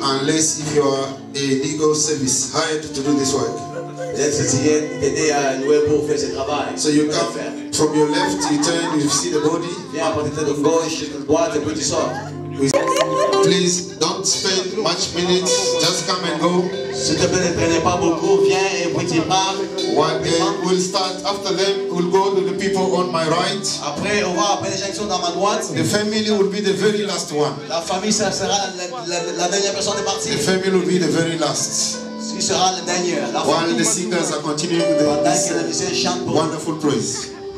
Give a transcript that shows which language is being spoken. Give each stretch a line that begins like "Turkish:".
English: Unless if you are a legal service hired to do this work. So you come from your left, you turn, you see the body. Please don't spend much minutes, just come and go.
French: S'il te plaît, ne prenez pas beaucoup, viens et puis tu parles.
English: We'll start after them, we'll go to the people on my right.
French: Après, on va appeler les gens qui sont dans ma droite.
English: The family will be the very last one.
French: La famille, ça sera la dernière personne de partir.
English: The family will be the very last.
French: Ce sera la dernière.
English: La while famille, the singers are continuing with this wonderful praise.